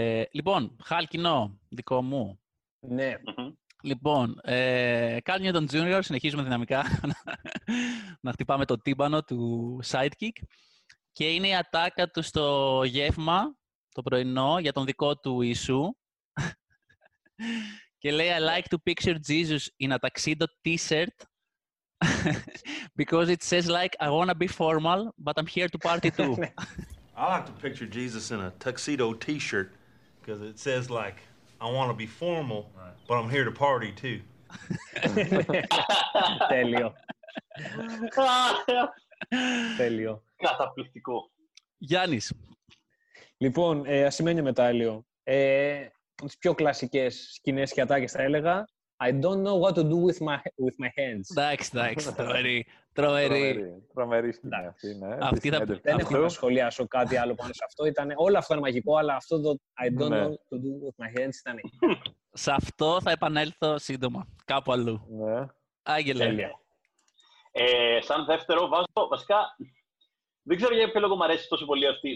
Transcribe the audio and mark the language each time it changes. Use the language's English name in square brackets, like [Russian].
[Greek] Λοιπόν, χάλκινο, δικό μου. Ναι. Λοιπόν, Carl Newton Jr. συνεχίζουμε δυναμικά να χτυπάμε το τύμπανο του sidekick. Και είναι η ατάκα του στο γεύμα, το πρωινό, για τον δικό του Ιησού. Και λέει, [English] I like to picture Jesus in a tuxedo t-shirt because it says like, I wanna be formal, but I'm here to party too. I like to picture Jesus in a tuxedo t-shirt because it says like, I wanna be formal, but I'm here to party too. [Greek] Τέλειο. Τέλειο. Καταπληκτικό. Γιάννης. Λοιπόν, ασημένιο μετάλλιο. Τις πιο κλασικές σκηνές και ατάκες θα έλεγα. [English] I don't know what to do with my hands. [Greek] Εντάξει, τρομερή. Τρομερή. Τρομερή σκηνή αυτή, ναι. Αυτή θα... Δεν έχω να σχολιάσω κάτι άλλο πάνω σε αυτό. Ήτανε, όλο αυτό είναι μαγικό, αλλά αυτό το [English] I don't know what to do with my hands [Greek] ήταν. Σε αυτό θα επανέλθω σύντομα, κάπου αλλού. Ναι. Άγγελε. Τέλεια. Σαν δεύτερο βάζω, βασικά, δεν ξέρω για ποιο λόγο μου αρέσει τόσο πολύ αυτή.